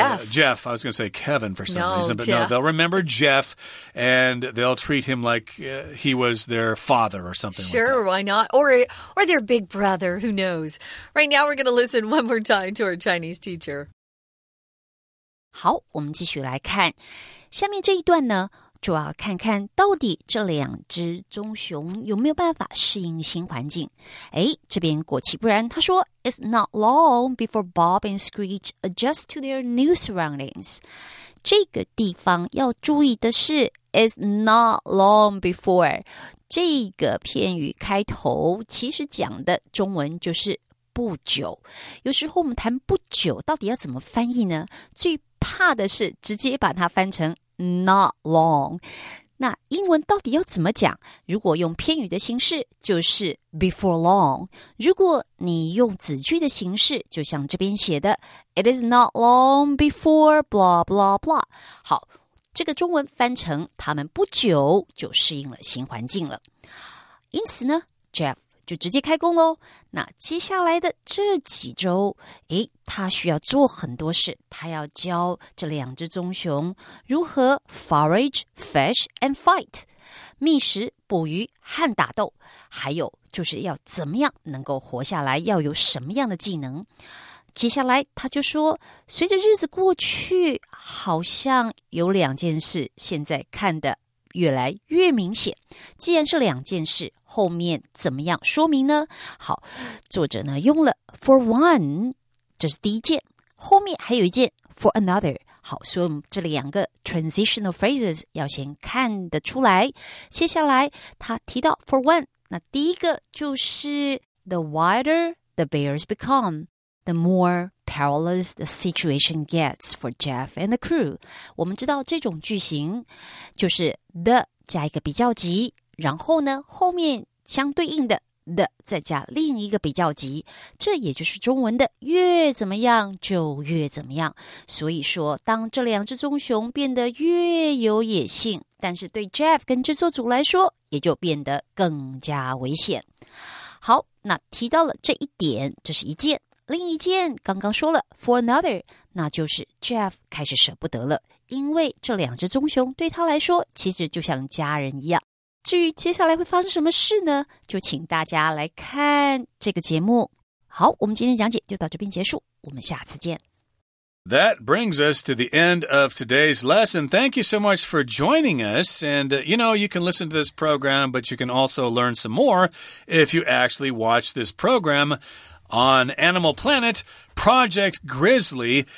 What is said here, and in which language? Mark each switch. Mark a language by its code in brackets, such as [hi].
[en] Jeff. I was going to say Kevin for some reason. But they'll remember Jeff, and they'll treat him like he was their father or something like that. Sure, why not? Or their big brother. Who knows? Right now, we're going to listen one more time to our Chinese teacher. [zh] 好，我们继续来看下面这一段呢，主要看看到底这两只棕熊有没有办法适应新环境。哎，这边果其不然，他说 [en] It's not long before Bob and Screech adjust to their new surroundings. [zh] 这个地方要注意的是 [en] It's not long before. [zh] 这个片语开头其实讲的中文就是不久。有时候我们谈不久到底要怎么翻译呢？最怕的是直接把它翻成Not long. 那英文到底要怎么讲？如果用片语的形式，就是 [en] before long. [zh] 如果你用子句的形式，就像这边写的 [en] It is not long before blah blah blah. [zh] 好，这个中文翻成他们不久就适应了新环境了。因此呢 Jeff 就直接开工咯。那接下来的这几周，诶，他需要做很多事，他要教这两只棕熊如何 [en] forage, fish and fight, [zh] 觅食、捕鱼和打斗，还有就是要怎么样能够活下来，要有什么样的技能。接下来他就说，随着日子过去，好像有两件事现在看得越来越明显。既然是两件事，后面怎么样说明呢？好，作者呢用了 for one,这是第一件，后面还有一件 for another。好，所以我们这两个 transitional phrases 要先看得出来。接下来他提到 [en] for one， [zh] 那第一个就是 [en] the wider the bears become, the more perilous the situation gets for Jeff and the crew。 [zh] 我们知道这种句型就是 the 加一个比较级，然后呢后面相对应的的再加另一个比较级，这也就是中文的越怎么样就越怎么样。所以说当这两只棕熊变得越有野性，但是对 Jeff 跟制作组来说也就变得更加危险。好，那提到了这一点，这是一件，另一件刚刚说了 for another， 那就是 Jeff 开始舍不得了，因为这两只棕熊对他来说其实就像家人一样。至于接下来会发生什么事呢？就请大家来看这个节目。好，我们今天讲解就到这边结束，我们下次见。 [en] That brings us to the end of today's lesson. Thank you so much for joining us. And, you know, you can listen to this program, but you can also learn some more if you actually watch this program on Animal Planet, Project Grizzly.